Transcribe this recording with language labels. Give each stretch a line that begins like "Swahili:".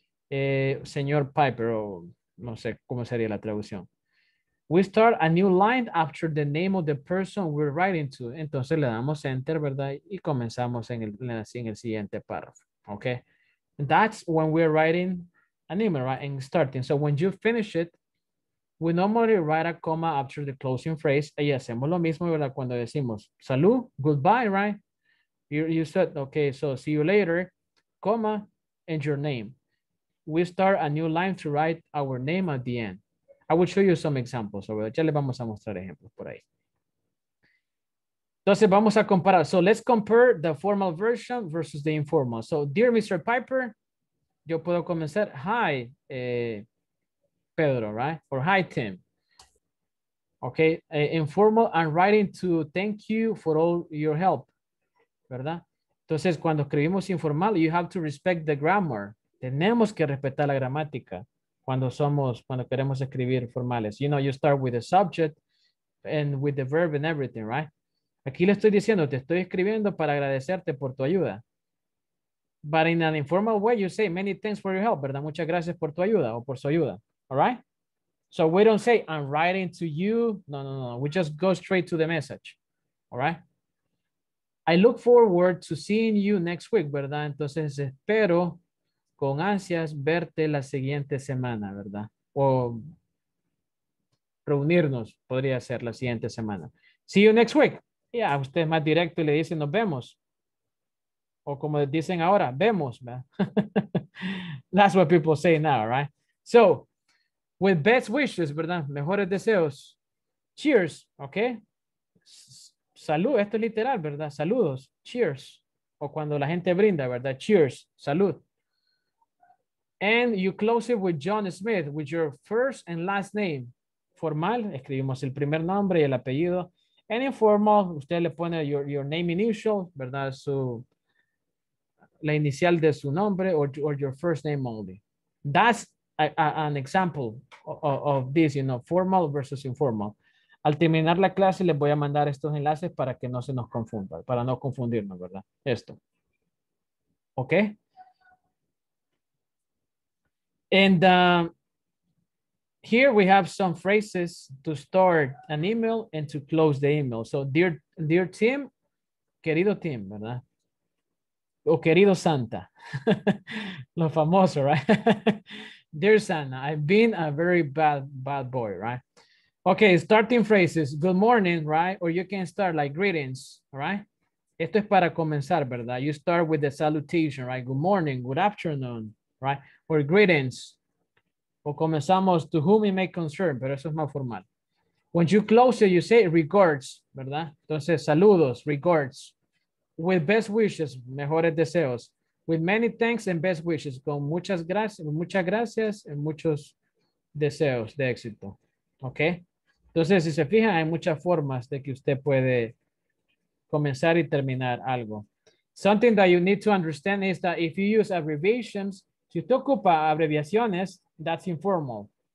Spanish: Señor Piper, o no sé cómo sería la traducción.
English: We start a new line after the name of the person we're writing to.
Spanish: Entonces le damos enter, ¿verdad? Y comenzamos en el siguiente párrafo, okay?
English: That's when we're writing an email, right? And starting. So when you finish it, we normally write a comma after the closing phrase.
Spanish: Y hacemos lo mismo, ¿verdad? Cuando decimos salud,
English: goodbye, right? You said, okay, so see you later, comma, and your name. We start a new line to write our name at the end. I will show you some examples.
Spanish: Ya le vamos a mostrar ejemplos por ahí. Entonces, vamos a comparar.
English: So let's compare the formal version versus the informal. So, dear Mr. Piper,
Spanish: yo puedo comenzar.
English: Hi, Pedro, right? Or hi, Tim. Okay, informal, I'm writing to thank you for all your help.
Spanish: ¿Verdad? Entonces, cuando escribimos informal,
English: you have to respect the grammar.
Spanish: Tenemos que respetar la gramática cuando queremos escribir formales.
English: You know, you start with the subject and with the verb and everything, right?
Spanish: Aquí le estoy diciendo, te estoy escribiendo para agradecerte por tu ayuda.
English: But in an informal way, you say, many thanks for your help, ¿verdad?
Spanish: Muchas gracias por tu ayuda o por su ayuda,
English: all right? So we don't say, I'm writing to you. No. We just go straight to the message, all right? I look forward to seeing you next week, ¿verdad?
Spanish: Entonces espero con ansias verte la siguiente semana, ¿verdad? O reunirnos, podría ser la siguiente semana.
English: See you next week.
Spanish: Yeah, usted es más directo y le dice, nos vemos. O como dicen ahora, vemos, ¿verdad?
English: That's what people say now, right? So, with best wishes, ¿verdad?
Spanish: Mejores deseos. Cheers, okay? Salud, esto es literal, ¿verdad? Saludos, cheers. O cuando la gente brinda, ¿verdad?
English: Cheers, salud. And you close it with John Smith, with your first and last name.
Spanish: Formal, escribimos el primer nombre y el apellido.
English: And informal,
Spanish: usted le pone
English: your name initial, ¿verdad?
Spanish: La inicial de su nombre
English: or your first name only. That's an example of this, you know, formal versus informal.
Spanish: Al terminar la clase, les voy a mandar estos enlaces para que no se nos confunda, para no confundirnos, ¿verdad? Esto. ¿Ok?
English: And here we have some phrases to start an email and to close the email. So, dear Tim,
Spanish: querido Tim,
English: ¿verdad?
Spanish: O querido Santa. Lo famoso, ¿verdad? Right?
English: Dear Santa, I've been a very bad boy, ¿right? Okay, starting phrases, good morning, right? Or you can start like greetings, right?
Spanish: Esto es para comenzar, ¿verdad?
English: You start with the salutation, right? Good morning, good afternoon, right? Or greetings.
Spanish: O comenzamos
English: to whom it may concern,
Spanish: pero eso es más formal.
English: When you close it, you say regards, ¿verdad?
Spanish: Entonces, saludos,
English: regards. With best wishes,
Spanish: mejores deseos.
English: With many thanks and best wishes.
Spanish: Con muchas gracias y muchos deseos de éxito. Ok, entonces si se fijan, hay muchas formas de que usted puede comenzar y terminar algo.
English: Something that you need to understand is that if you use abbreviations,
Spanish: si usted ocupa abreviaciones,
English: that's informal.